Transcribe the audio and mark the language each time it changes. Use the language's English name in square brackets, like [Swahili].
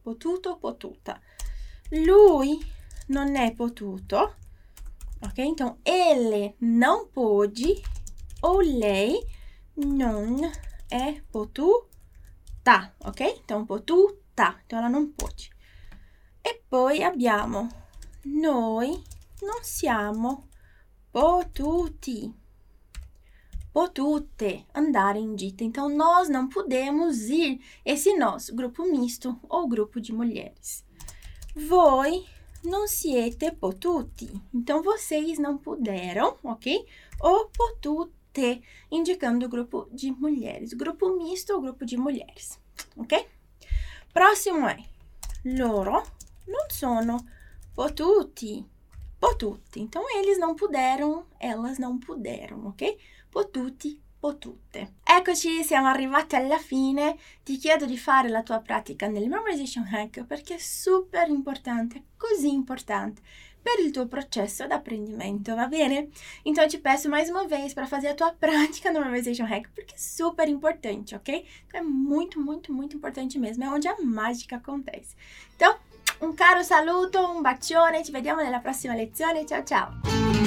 [Italian] Potuto ou potuta. Lui non è potuto, ok? [Portuguese] Então, ele não pôde ou [Italian] lei non è potuta, [Portuguese] ok? Então, potuta, então ela não pôde. [Italian] E poi abbiamo noi non siamo potuti. Potute andare in gita. [Portuguese] Então, nós não podemos ir. Esse nós, grupo misto ou grupo de mulheres. [Italian] Voi non siete potuti. [Portuguese] Então, vocês não puderam, ok? Ou potute, indicando o grupo de mulheres. Grupo misto ou grupo de mulheres, ok? [Italian] Próximo é: loro non sono potuti. Potuti. [Portuguese] Então, eles não puderam, elas não puderam, ok? [Italian] Potuti, potute. Eccoci, siamo arrivati alla fine. Ti chiedo di fare la tua pratica nel Memorization Hack perché è super importante, così importante per il tuo processo d'apprendimento, va bene? [Portuguese] Então, ti peço mais uma vez para fazer a tua pratica no Memorization Hack [Italian] perché è super importante, [Portuguese] ok? [Italian] Então, è molto, molto, molto importante mesmo, è [Portuguese] onde a magica acontece. [Italian] Então, un caro saluto, un bacione, ci vediamo nella prossima lezione. Ciao, ciao!